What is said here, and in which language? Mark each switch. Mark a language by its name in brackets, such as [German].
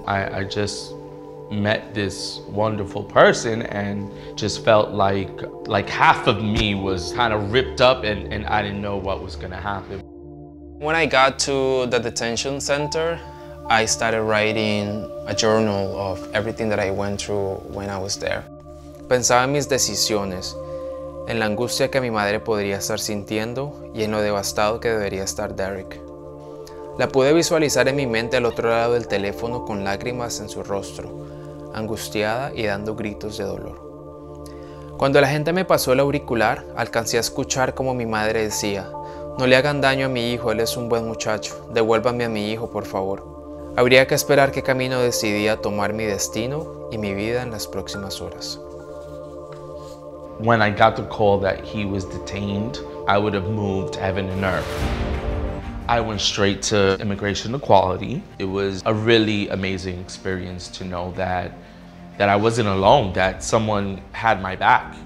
[English] I just met this wonderful person and just felt like half of me was kind of ripped up and I didn't know what was going to happen. When I got to the detention center, I started writing a journal of everything that I went through when I was there. [Spanish] Pensaba en mis decisiones, en la angustia que mi madre podría estar sintiendo y en lo devastado que debería estar Derick. La pude visualizar en mi mente al otro lado del teléfono con lágrimas en su rostro, angustiada y dando gritos de dolor. Cuando la gente me pasó el auricular, alcancé a escuchar como mi madre decía, no le hagan daño a mi hijo, él es un buen muchacho, devuélvanme a mi hijo, por favor. Habría que esperar qué camino decidía tomar mi destino y mi vida en las próximas horas. [English] When I got the call that he was detained, I would have moved heaven and earth. I went straight to immigration equality. It was a really amazing experience to know that I wasn't alone, that someone had my back.